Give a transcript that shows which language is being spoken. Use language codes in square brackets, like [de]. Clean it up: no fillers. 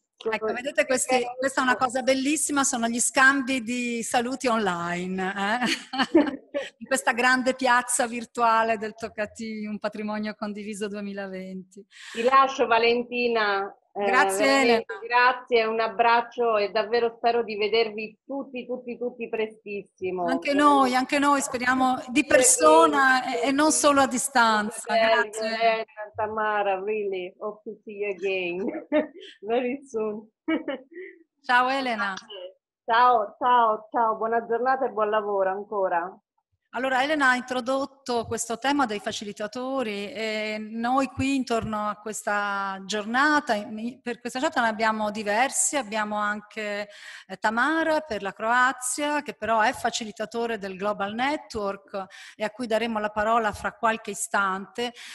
[it] Ecco, vedete, questa è una cosa bellissima, sono gli scambi di saluti online, in questa grande piazza virtuale del Toccati, un patrimonio condiviso 2020. Ti lascio, Valentina. Grazie Elena. Grazie, un abbraccio, e davvero spero di vedervi tutti prestissimo. Anche noi, speriamo di persona e non solo a distanza. Grazie. [en] Tamara, really, hope to see you again very soon. [it] Ciao Elena. Ciao, ciao, ciao, buona giornata e buon lavoro ancora. Allora, Elena ha introdotto questo tema dei facilitatori, e noi qui intorno a questa giornata, per questa giornata ne abbiamo diversi, abbiamo anche Tamara per la Croazia, che però è facilitatore del Global Network e a cui daremo la parola fra qualche istante.